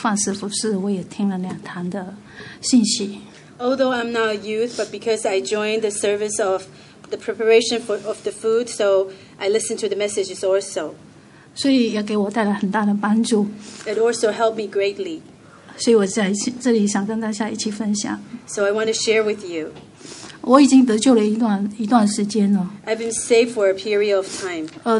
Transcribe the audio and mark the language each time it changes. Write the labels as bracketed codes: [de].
[zh] 我不是幼师，但是我参加了他们的范师服饰，我也听了两堂的信息。 [en] Although I'm not a youth, but because I joined the service of the preparation of the food, so I listened to the messages also. [zh] 所以也给我带来很大的帮助。 [en] It also helped me greatly. [zh] 所以我在这里想跟大家一起分享。 [en] So I want to share with you. [zh] 我已经得救了一段时间了。 [en] I've been saved for a period of time.